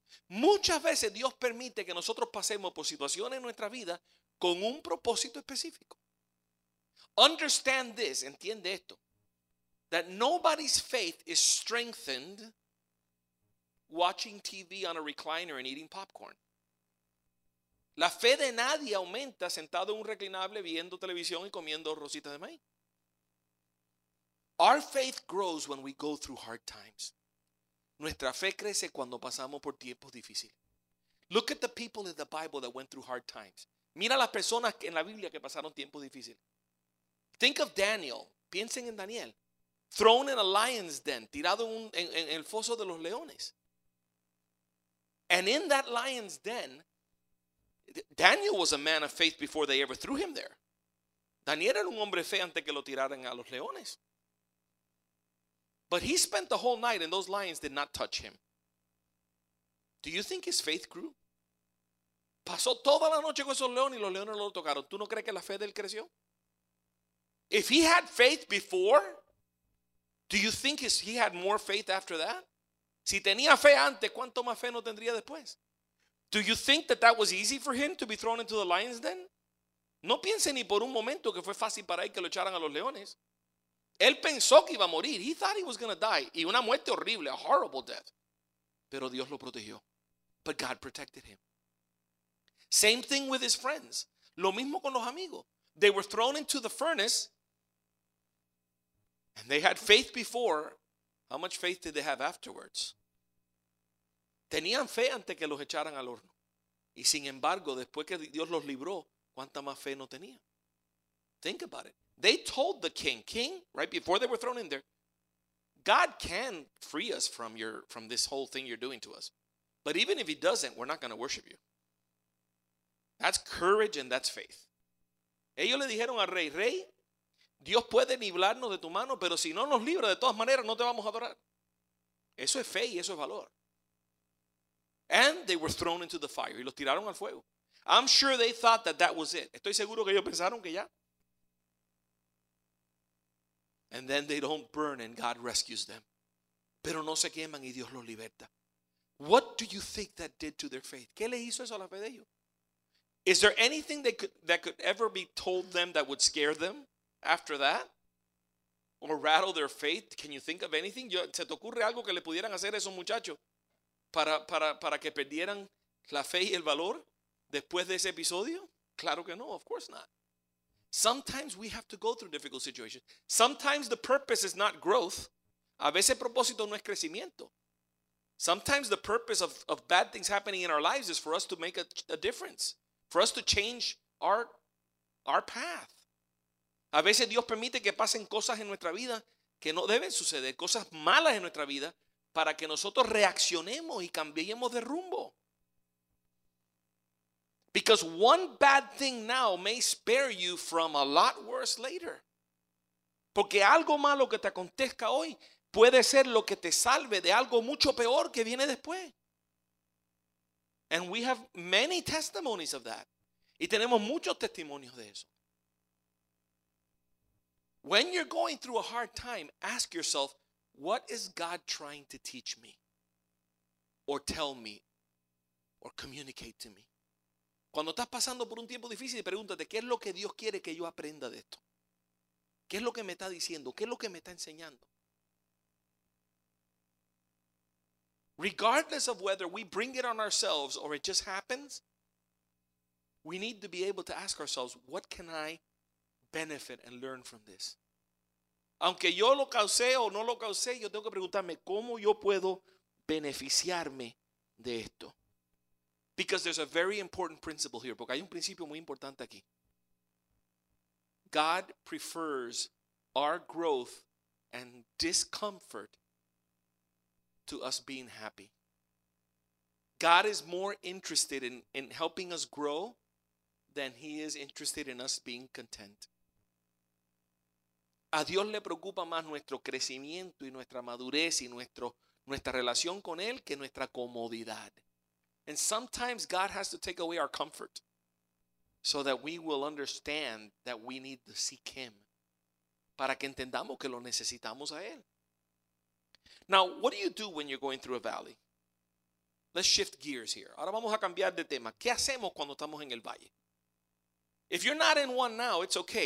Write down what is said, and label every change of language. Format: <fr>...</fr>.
<es>Muchas veces Dios permite que nosotros pasemos por situaciones en nuestra vida con un propósito específico.</es> <en>Understand this,</en> <es>entiende esto,</es> <en>that nobody's faith is strengthened watching TV on a recliner and eating popcorn.</en> <es>La fe de nadie aumenta sentado en un reclinable viendo televisión y comiendo rositas de maíz.</es> <en>Our faith grows when we go through hard times.</en> <es>Nuestra fe crece cuando pasamos por tiempos difíciles.</es> <en>Look at the people in the Bible that went through hard times.</en> <es>Mira las personas en la Biblia que pasaron tiempos difíciles.</es> <en>Think of Daniel.</en> <es>Piensen en Daniel.</es> <en>Thrown in a lion's den,</en> <es>tirado en el foso de los leones.</es> <en>And in that lion's den, Daniel was a man of faith before they ever threw him there.</en> <es>Daniel era un hombre de fe antes que lo tiraran a los leones.</es> <en>But he spent the whole night and those lions did not touch him. Do you think his faith grew?</en> <es>Pasó toda la noche con esos leones y los leones no lo tocaron. ¿Tú no crees que la fe de él creció?</es> <en>If he had faith before, do you think he had more faith after that?</en> <es>Si tenía fe antes, ¿cuánto más fe no tendría después?</es> <en>Do you think that that was easy for him to be thrown into the lion's den?</en> <es>No piense ni por un momento que fue fácil para él que lo echaran a los leones. Él pensó que iba a morir.</es> <en>He thought he was going to die.</en> <es>Y una muerte horrible,</es> <en>a horrible death.</en> <es>Pero Dios lo protegió.</es> <en>But God protected him. Same thing with his friends.</en> <es>Lo mismo con los amigos.</es> <en>They were thrown into the furnace. And they had faith before. How much faith did they have afterwards?</en> <es>Tenían fe antes que los echaran al horno. Y sin embargo, después que Dios los libró, ¿cuánta más fe no tenían?</es> <en>Think about it. They told the king, king, right before they were thrown in there, God can free us from this whole thing you're doing to us. But even if he doesn't, we're not going to worship you. That's courage and that's faith.</en> <es>Ellos le dijeron al rey, rey, Dios puede librarnos de tu mano, pero si no nos libra, de todas maneras, no te vamos a adorar. Eso es fe y eso es valor.</es> <en>And they were thrown into the fire.</en> <es>Y los tiraron al fuego.</es> <en>I'm sure they thought that that was it.</en> <es>Estoy seguro que ellos pensaron que ya.</es> <en>And then they don't burn and God rescues them.</en> <es>Pero no se queman y Dios los liberta.</es> <en>What do you think that did to their faith?</en> <es>¿Qué les hizo eso a la fe de ellos?</es> <en>Is there anything that could ever be told them that would scare them after that? Or rattle their faith? Can you think of anything?</en> <es>¿Se te ocurre algo que le pudieran hacer a esos muchachos para que perdieran la fe y el valor después de ese episodio? Claro que no,</es> <en>of course not. Sometimes we have to go through difficult situations. Sometimes the purpose is not growth.</en> <es>A veces el propósito no es crecimiento.</es> <en>Sometimes the purpose of bad things happening in our lives is for us to make a difference. For us to change our path.</en> <es>A veces Dios permite que pasen cosas en nuestra vida que no deben suceder. Cosas malas en nuestra vida para que nosotros reaccionemos y cambiemos de rumbo.</es> <en>Because one bad thing now may spare you from a lot worse later.</en> <es>Porque algo malo que te acontezca hoy puede ser lo que te salve de algo mucho peor que viene después.</es> <en>And we have many testimonies of that.</en> <es>Y tenemos muchos testimonios de eso.</es> <en>When you're going through a hard time, ask yourself, what is God trying to teach me? Or tell me? Or communicate to me?</en> <es>Cuando estás pasando por un tiempo difícil, pregúntate, ¿qué es lo que Dios quiere que yo aprenda de esto? ¿Qué es lo que me está diciendo? ¿Qué es lo que me está enseñando?</es> <en>Regardless of whether we bring it on ourselves or it just happens, we need to be able to ask ourselves, what can I benefit and learn from this?</en> <es>Aunque yo lo causé o no lo causé, yo tengo que preguntarme, ¿cómo yo puedo beneficiarme de esto?</es> <en>Because there's a very important principle here.</en> <es>Porque hay un principio muy importante aquí.</es> <en>God prefers our growth and discomfort to us being happy. God is more interested in helping us grow than he is interested in us being content.</en> <es>A Dios le preocupa más nuestro crecimiento y nuestra madurez y nuestra relación con él que nuestra comodidad.</es> <en>And sometimes God has to take away our comfort so that we will understand that we need to seek him.</en> <es>Para que entendamos que lo necesitamos a él.</es> <en>Now, what do you do when you're going through a valley? Let's shift gears here.</en> <es>Ahora vamos a cambiar de tema. ¿Qué hacemos cuando estamos en el valle?</es> <en>If you're not in one now, it's okay.</en>